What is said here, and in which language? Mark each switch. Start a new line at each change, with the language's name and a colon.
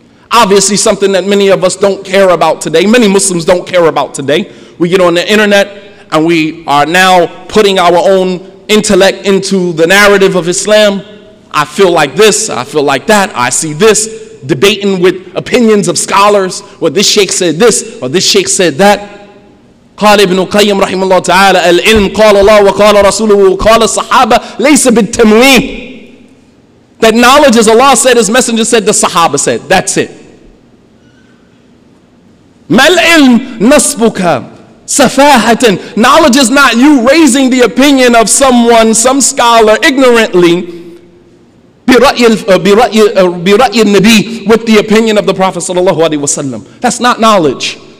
English: Obviously something that many of us don't care about today, many Muslims don't care about today. We get on the internet and we are now putting our own intellect into the narrative of Islam. I feel like this, I feel like that, I see this, debating with opinions of scholars, or this sheikh said this, or this sheikh said that.
Arabic: قال ابن القيم رحمه الله تعالى العلم قال الله وقال رسوله وقال الصحابة ليس بالتمويه.
English: That knowledge, as Allah said, his messenger said, the Sahaba said, that's it.
Arabic: ما العلم نصبك سفاهة.
English: Knowledge is not you raising the opinion of someone, some scholar, ignorantly,
Arabic: برأي النبي,
English: with the opinion of the Prophet sallallahu alaihi wasallam. That's not knowledge.